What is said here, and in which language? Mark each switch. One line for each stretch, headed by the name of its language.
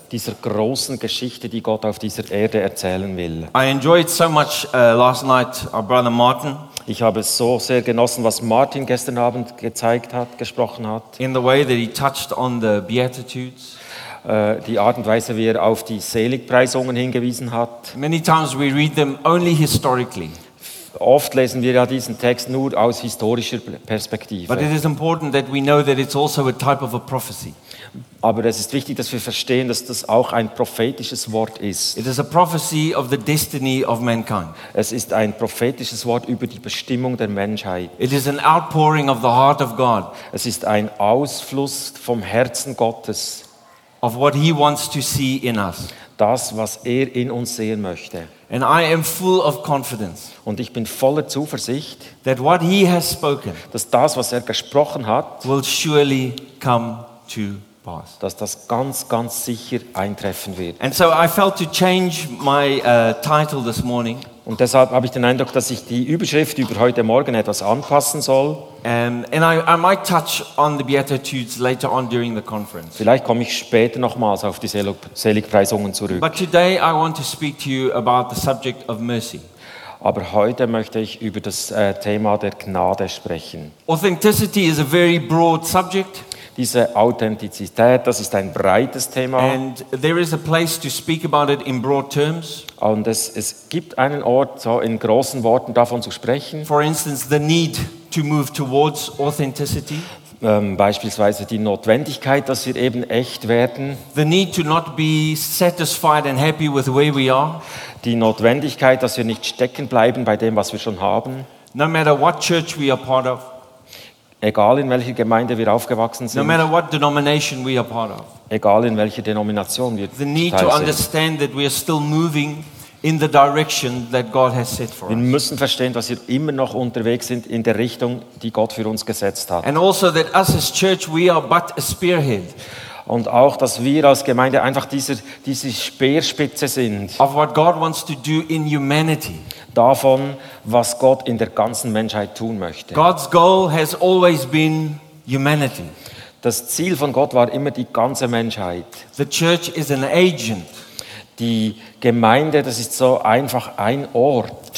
German: Dieser großen Geschichte, die Gott auf dieser Erde erzählen will.
English: I enjoyed so much last night, our brother Martin.
German: Ich habe so sehr genossen, was Martin gestern Abend gezeigt hat, gesprochen hat.
English: In the way that he touched on the Beatitudes.
German: Die Art und Weise, wie er auf die Seligpreisungen hingewiesen hat.
English: Many times we read them only historically.
German: Oft lesen wir ja diesen Text nur aus historischer Perspektive.
English: But it is important that we know that it's also a type of a prophecy.
German: Aber es ist wichtig, dass wir verstehen, dass das auch ein prophetisches Wort ist.
English: It is a prophecy of the destiny of mankind.
German: Es ist ein prophetisches Wort über die Bestimmung der Menschheit.
English: It is an outpouring of the heart of God.
German: Es ist ein Ausfluss vom Herzen Gottes.
English: Of what he wants to see in us.
German: Das, was er in uns sehen möchte.
English: And I am full of confidence.
German: Und ich bin voller Zuversicht,
English: that what he has spoken,
German: dass das, was er gesprochen hat,
English: will surely come to pass.
German: Dass das ganz, ganz sicher eintreffen wird.
English: And so I felt to change my title this morning.
German: Und deshalb habe ich den Eindruck, dass ich die Überschrift über heute Morgen etwas anpassen soll.
English: And I might touch on the Beatitudes later on during the conference.
German: Vielleicht komme ich später nochmals auf die Seligpreisungen zurück.
English: But today I want to speak to you about the subject of mercy.
German: Aber heute möchte ich über das Thema der Gnade sprechen.
English: Authenticity is a very broad subject.
German: Diese Authentizität, das ist ein breites Thema.
English: And there is a place to speak about it in broad terms.
German: Und es gibt einen Ort, so in großen Worten davon zu sprechen.
English: For instance, the need to move towards authenticity.
German: Beispielsweise die Notwendigkeit, dass wir eben echt werden.
English: The need to not be satisfied and happy with where we are.
German: Die Notwendigkeit, dass wir nicht stecken bleiben bei dem, was wir schon haben.
English: No matter what church we are part of.
German: Egal in welcher Gemeinde wir aufgewachsen sind.
English: No matter what denomination we are part of.
German: Egal in welcher Denomination wir
English: The need to understand that we are still moving in the direction that God has set for us.
German: Wir müssen verstehen, dass wir immer noch unterwegs sind in der Richtung, die Gott für uns gesetzt hat.
English: And also that us as church we are but a spearhead.
German: Und auch, dass wir als Gemeinde einfach diese Speerspitze sind.
English: Of what God wants to do in humanity.
German: Davon, was Gott in der ganzen Menschheit tun möchte.
English: God's goal has always been humanity.
German: Das Ziel von Gott war immer die ganze Menschheit.
English: The church is an agent.
German: Die Gemeinde, das ist so einfach ein Ort.